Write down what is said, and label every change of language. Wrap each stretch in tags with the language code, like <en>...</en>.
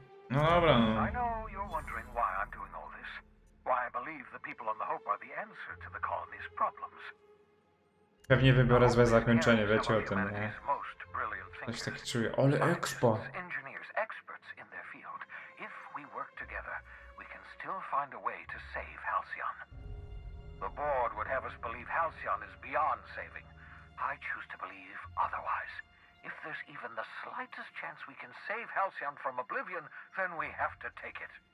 <en>I know you're wondering why I'm doing all this. Why I believe the people on the Hope are the answer to the colony's problems.</en> <pl>Pewnie wybiorę złe zakończenie, wiecie o tym, nie? Coś taki czuję. Ale expo!</pl> <en>Engineers, experts in their field. If we work together, we can still find a way to save Halcyon. The board would have us believe Halcyon is beyond saving. I choose to believe otherwise. If there's even the slightest chance we can save Halcyon from oblivion, then we have to take it.</en>